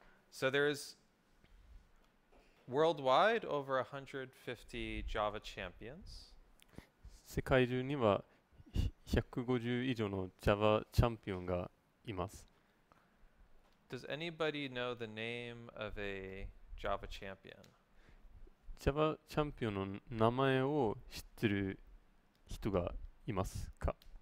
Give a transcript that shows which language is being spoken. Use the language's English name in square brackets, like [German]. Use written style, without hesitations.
[English] So there's worldwide over 150 Java champions. [Japanese] 世界中には150以上の Java チャンピオンがいます。 [English] Does anybody know the name of a Java champion? [Japanese] Java チャンピオンの名前を知ってる人がいますか？